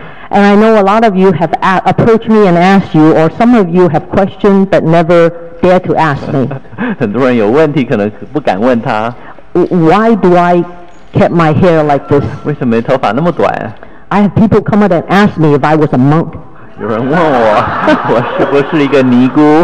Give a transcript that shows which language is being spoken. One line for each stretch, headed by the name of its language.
English: And I know a lot of you have approached me and asked you, or some of you have questioned but never dared to ask me.
Chinese: 很多人有问题可能不敢问他。
English: Why do I keep my hair like this?
Chinese: 为什么头发那么短?
English: I have people come up and ask me if I was a monk.
Chinese: 有人问我, 我是不是一个尼姑?